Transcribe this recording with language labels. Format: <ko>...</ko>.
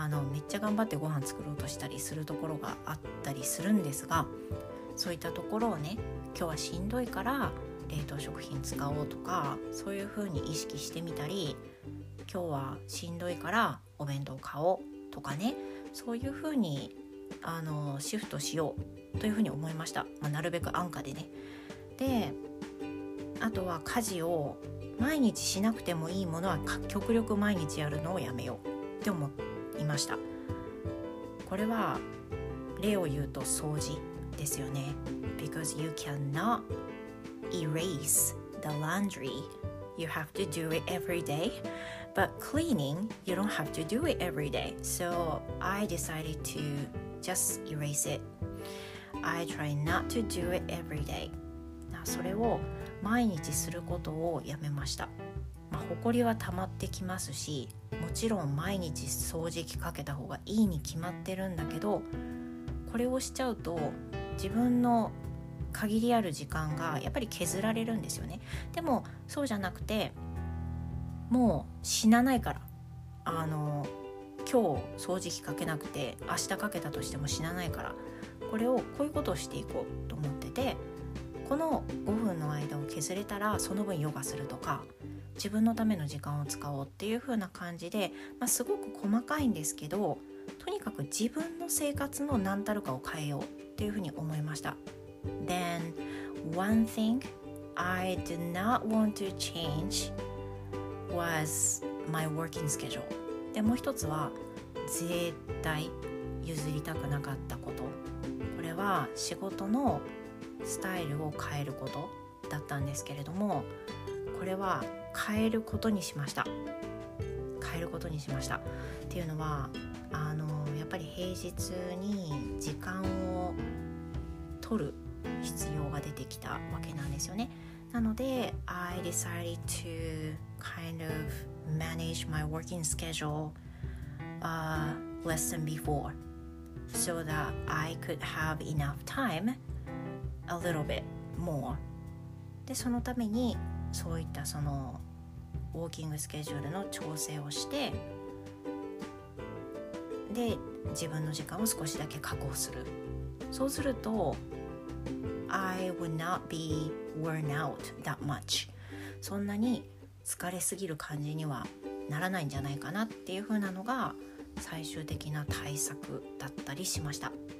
<ja>めっちゃ頑張ってご飯作ろうとしたりするところがあったりするんですが、そういったところをね、今日はしんどいから冷凍食品使おうとか、そういう風に意識してみたり、今日はしんどいからお弁当買おうとかね、そういう風にシフトしようという風に思いました、まあ、なるべく安価でね。で、あとは家事を毎日しなくてもいいものは極力毎日やるのをやめようって思っていました。これは例を言うと掃除ですよね。</ja> <en>Because you cannot erase the laundry, you have to do it every day. But cleaning, you don't have to do it every day. So I decided to just erase it. I try not to do it every day.</en> <ja>それを毎日することをやめました。まあ、ほこりは溜まってきますし、もちろん毎日掃除機かけた方がいいに決まってるんだけど、これをしちゃうと自分の限りある時間がやっぱり削られるんですよね。でもそうじゃなくて、もう死なないから、今日掃除機かけなくて明日かけたとしても死なないから、これをこういうことをしていこうと思ってて、この5分の間を削れたらその分ヨガするとか、自分のための時間を使おうっていう風な感じで、まあ、すごく細かいんですけど、とにかく自分の生活の何たるかを変えようっていう風に思いました。</ja> <en>Then one thing I did not want to change was my working schedule.</en> <ja>でもう一つは絶対譲りたくなかったこと、これは仕事のスタイルを変えることだったんですけれども、これは変えることにしました。変えることにしましたっていうのは、やっぱり平日に時間を取る必要が出てきたわけなんですよね。なので</ja> <en>I decided to kind of manage my working schedule less than before so that I could have enough time a little bit more。</en> <ja>でそのためにそういったそのウォーキングスケジュールの調整をして、で自分の時間を少しだけ確保する。そうすると</ja> <en>I would not be worn out that much、</en> <ja>そんなに疲れすぎる感じにはならないんじゃないかなっていう風なのが最終的な対策だったりしました。</ja>